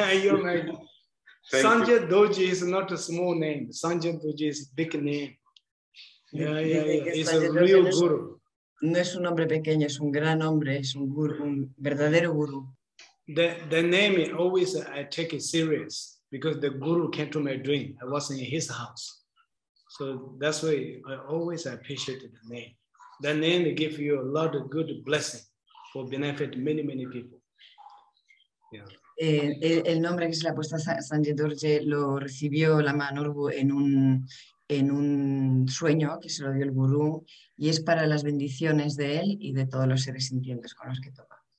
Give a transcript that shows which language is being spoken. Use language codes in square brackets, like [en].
[en] You're my Sanjay Doji is not a small name. Sanjay Doji is big name. Yeah. He's a real guru. [es] No es un hombre pequeño, es un gran hombre, es un guru, un verdadero guru. [en] The name always I take it serious because the guru came to my dream. I was in his house. So that's why I always appreciate the name. The name gives you a lot of good blessing for benefit many, many people. Yeah. [es] El nombre que se le ha puesto a Sanjay Dorje lo recibió Lama Norbu en un sueño que se lo dio el gurú y es para las bendiciones de él y de todos los seres sintientes con los que toca.